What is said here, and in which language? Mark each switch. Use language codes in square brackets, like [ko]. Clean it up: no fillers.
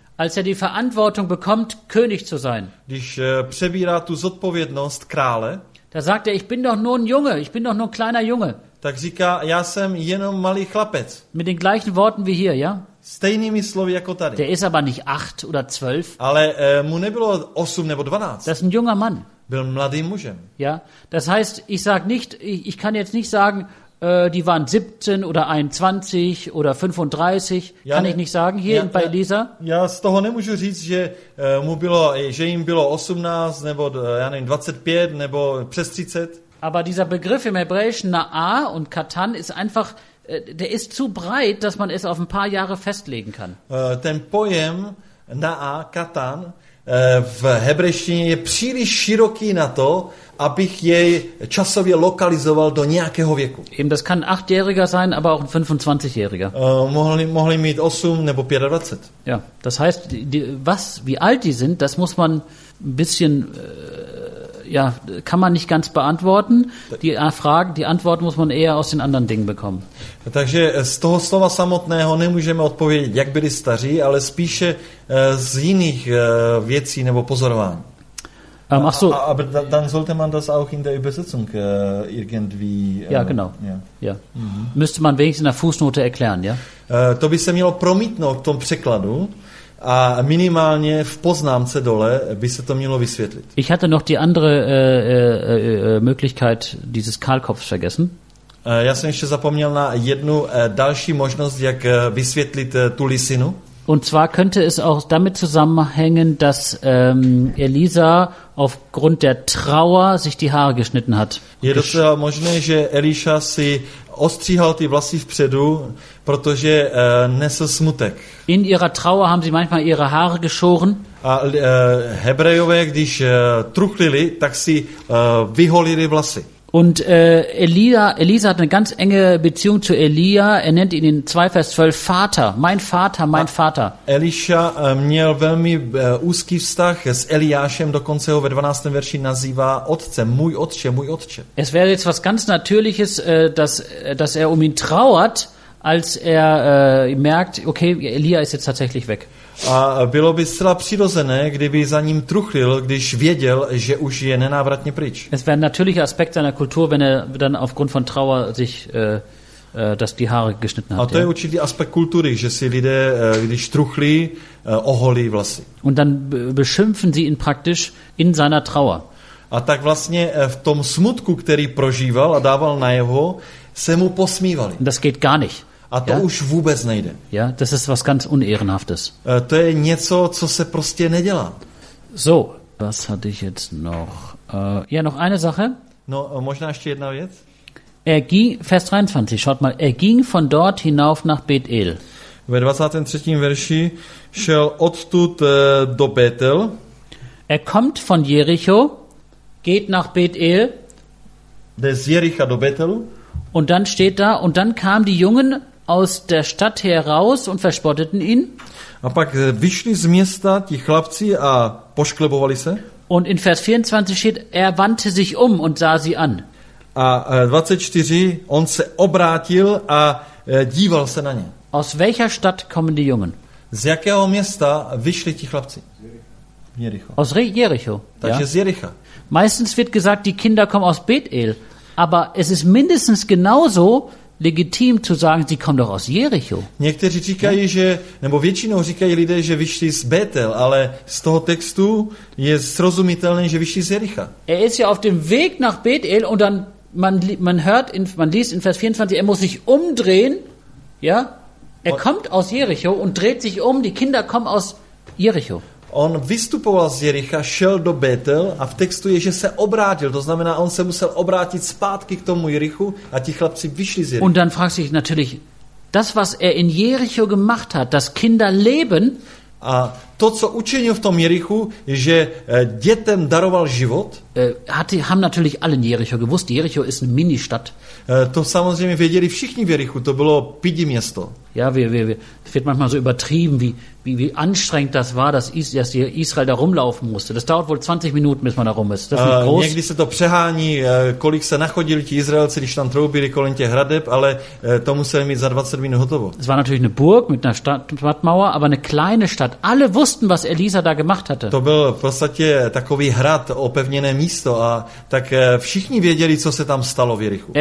[de] Als er die Verantwortung bekommt, König zu sein. [cs] Když přebírá tu zodpovědnost krále. [de] Da sagt er, ich bin doch nur ein Junge, ich bin doch nur ein kleiner Junge. [cs] Tak říká, já jsem jenom malý chlapec. [de] Mit den gleichen Worten wie hier, ja? [cs] Stejnými slovy jako tady. [de] Der ist aber nicht 8 oder 12. [cs] Ale mu nebylo 8 nebo 12. [de] Das ist ein junger Mann. [cs] Byl mladým mužem. [de] Ja, das heißt, ich sag nicht, ich kann jetzt nicht sagen, die waren 17 oder 21 oder 35, ja, kann ich nicht sagen hier bei Elisa. [cs] Ja, z toho nemůžu říct, že jim bylo 18 nebo já nevím, 25 nebo přes 30. [de] Aber dieser Begriff im Hebräischen Na'a und Katan ist einfach, der ist zu breit, dass man es auf ein paar Jahre festlegen kann. [cs] Ten pojem Na'a, Katan, v hebrejštině je příliš široký na to, abych jej časově lokalizoval do nějakého věku. [de] Eben, das kann ein 8-jähriger sein, aber auch ein 25-jähriger. [cs] Mohli mít 8 nebo 25. [de] Ja, das heißt, wie alt die sind, das muss man ein bisschen... Ja, kann man nicht ganz beantworten. Die Antwort muss man eher aus den anderen Dingen bekommen. [cs] Takže z toho slova samotného nemůžeme odpovědět, jak byli staří, ale spíše z jiných věcí nebo pozorování. [de] Ach so. Aber dann sollte man das auch in der Übersetzung irgendwie... Ja, genau. Ja. Mhm. Müsste man wenigstens in der Fußnote erklären, ja? [cs] To by se mělo promítnout v tom překladu, a minimálně v poznámce dole by se to mělo vysvětlit. [de] Ich hatte noch die andere Möglichkeit dieses Kahlkopfs vergessen. [cs] Já jsem ještě zapomněl na jednu další možnost, jak vysvětlit tu lisinu. [de] Und zwar könnte es auch damit zusammenhängen, dass Elisa aufgrund der Trauer sich die Haare geschnitten hat. [cs] Je docela možné, že Eliša si ostříhal ty vlasy vpředu, protože nesl smutek. [de] In ihrer Trauer haben sie manchmal ihre Haare geschoren. [cs] A Hebrejové, když truchlili, tak si vyholili vlasy. [de] Und Elisa hat eine ganz enge Beziehung zu Elia. Er nennt ihn in 2 Vers 12 Vater. Mein Vater, mein Vater. [cs] Eliša měl velmi úzký vztah s Eliášem, dokonce ho ve 12. verši nazývá otcem. Můj otče, můj otče. [de] Es wäre jetzt was ganz Natürliches, dass er um ihn trauert, als er merkt, okay, Elia ist jetzt tatsächlich weg. [cs] A bylo by zcela přirozené, kdyby za ním truchlil, když věděl, že už je nenávratně pryč. [de] Es wäre ein natürlicher Aspekt seiner Kultur, wenn er dann aufgrund von Trauer sich dass die Haare geschnitten hat. [cs] A to je určitý aspekt kultury, že si lidé, když truchlí, oholí vlasy. [de] Und dann beschimpfen sie ihn praktisch in seiner Trauer. [cs] A tak vlastně v tom smutku, který prožíval a dával najevo, se mu posmívali. [de] Das geht gar nicht. [cs] A to ja? Už vůbec nejde. [de] Ja, das ist was ganz Unehrenhaftes. [cs] To je něco, co se prostě nedělá. [de] So, was hatte ich jetzt noch? Ja, noch eine Sache. [cs] No, možná ještě jedna věc. [de] Vers 23, schaut mal. Er ging von dort hinauf nach Bet-El. [cs] Ve 23. verši šel odtud do Bet-El. [de] Er kommt von Jericho, geht nach Bet-El. [cs] jde z Jericha do Betelu. [de] Und dann steht da, und dann kamen die Jungen aus der Stadt heraus und verspotteten ihn. [cs] A pak vyšli z města ti chlapci a pošklebovali se. [de] Und in Vers 24 steht, er wandte sich um und sah sie an. [cs] A 24, on se obrátil a díval se na ně. [de] Aus welcher Stadt kommen die Jungen? [cs] Z jakého města vyšli ti chlapci? [de] Jericho. [cs] Takže ja. Z Jericha. [de] Meistens wird gesagt, die Kinder kommen aus Bethel, aber es ist mindestens genauso legitim zu sagen, sie kommen doch aus Jericho. [cs] Někteří říkají, že, nebo většinou říkají lidé, že vyšli z Bethel, ale z toho textu je srozumitelné, že vyšli z Jericha. [de] Er ist ja auf dem Weg nach Bethel und dann man liest in Vers 24, er muss sich umdrehen, ja? Er kommt aus Jericho und dreht sich um, die Kinder kommen aus Jericho. [cs] On vystupoval z Jericha, šel do Betel a v textu je, že se obrátil. To znamená, on se musel obrátit zpátky k tomu Jerichu a ti chlapci vyšli z Jericha. [de] Und dann fragt sich natürlich, das, was er in Jericho gemacht hat, dass Kinder leben. [cs] A to, co učinil v tom Jerichu, je, že dětem daroval život. [de] Haben natürlich alle in Jericho gewusst, Jericho ist eine Ministadt. [cs] To samozřejmě věděli všichni v Jerichu, to bylo pidi město. [de] Ja, es wird manchmal so übertrieben, wie anstrengend das war, dass Israel da rumlaufen musste. Das dauert wohl 20 Minuten, bis man da rum ist. Das ist groß. [cs] Někdy se to přehání, kolik se nachodili ti Izraelci, když tam troubili kolem těch hradeb, ale to museli mít za 20 minut hotovo. [de] Es war natürlich eine Burg mit einer Stadtmauer, aber eine kleine Stadt. Alle wussten, was Elisa da gemacht hatte. [cs] To byl v podstatě takový hrad, opevněné místo, a tak všichni věděli, co se tam stalo v Jerichu.